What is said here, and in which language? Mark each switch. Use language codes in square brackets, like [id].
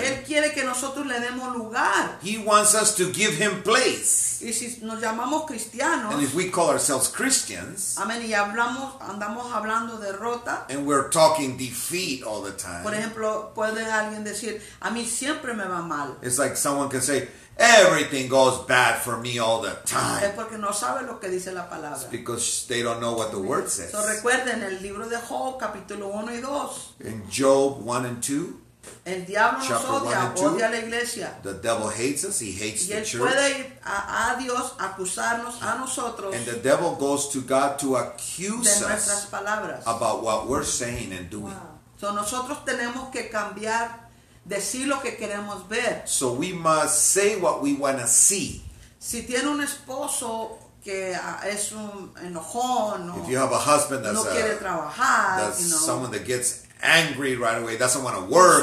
[es] Él quiere que nosotros le demos lugar. [en] He wants us to give him place. [es] Y si nos llamamos cristianos. [en] And if we call ourselves Christians. [es] Amén. Y hablamos, andamos hablando derrota. [en] And we're talking defeat all the time. [es] Por ejemplo, puede alguien decir, a mí siempre me va mal. [en] It's like someone can say, everything goes bad for me all the time. [es] Es porque no sabe lo que dice la palabra. [en] It's because they don't know what the word says. [es] So recuerden el libro de Job, capítulo 1 y 2. [en] In Job 1 and 2. [es] El diablo nos odia, odia a la iglesia. [en] The devil hates us, he hates the church. [es] Y él puede ir a Dios acusarnos a nosotros. [en] And the devil goes to God to accuse us. [es] De nuestras palabras. [en] About what we're saying and doing. [es] Wow. So nosotros tenemos que cambiar. Decir lo que queremos ver. [en] So we must say what we want to see. [es] Si tiene un esposo que es un enojón. [en] If you have a husband that's, [es] no quiere trabajar, [en] that's you know, someone that gets angry right away, doesn't want to work.